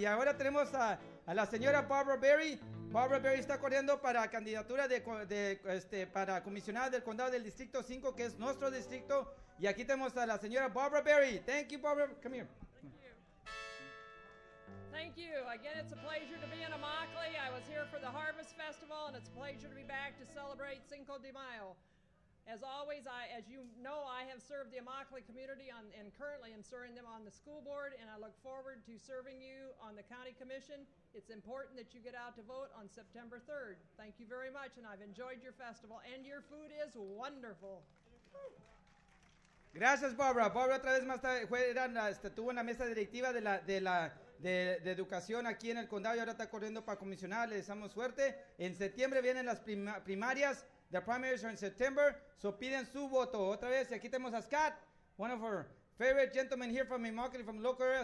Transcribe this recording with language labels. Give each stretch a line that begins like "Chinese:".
Spanish: Y ahora tenemos a la señora Barbara Berry. Barbara Berry está corriendo para candidatura para comisionada del condado del Distrito 5, que es nuestro distrito. Y aquí tenemos a la señora Barbara Berry.
English: Thank you, Barbara. Come here. Thank you. Again, it's a pleasure to be in Immokalee. I was here for the Harvest Festival, and it's a pleasure to be back to celebrate Cinco de Mayo. As always, I have served the Immokalee community and currently am serving them on the school board, and I look forward to serving you on the county commission. It's important that you get out to vote on September 3rd. Thank you very much, and I've enjoyed your festival, and your food is wonderful.
Spanish: Gracias, Barbara. Barbara, otra vez más estuvo en la mesa directiva de educación aquí en el condado y ahora está corriendo para comisionar. Le deseamos suerte. En septiembre vienen las primarias.
English: The primaries are in September, so
Spanish: piden su voto. Otra vez, y aquí tenemos a Scott,
English: one of our favorite gentlemen here from Immokalee, from local area.